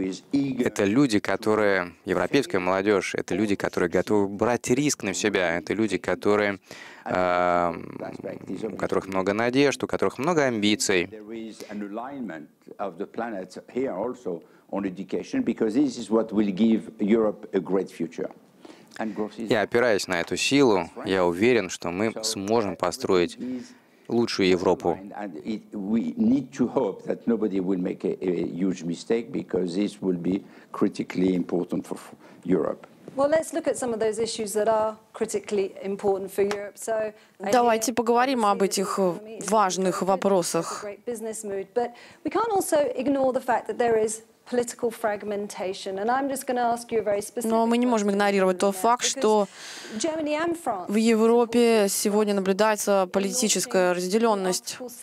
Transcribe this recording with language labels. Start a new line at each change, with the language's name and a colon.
Russian: Это люди, которые, европейская молодежь, это люди, которые готовы брать риск на себя, это люди, которые, у которых много надежд, у которых много амбиций. И опираясь на эту силу, я уверен, что мы сможем построить лучшую Европу.
English: We need to hope that nobody will make a huge mistake, because this will be critically important for Europe. Well, let's look at some of those issues that are critically important for Europe. So,
Russian: давайте поговорим об этих важных вопросах.
English: Great business mood, but we can't also ignore the fact that there is political fragmentation, and I'm just going to ask you a very specific.
Russian: Но мы не можем игнорировать тот факт, что в Европе сегодня наблюдается политическая разделенность.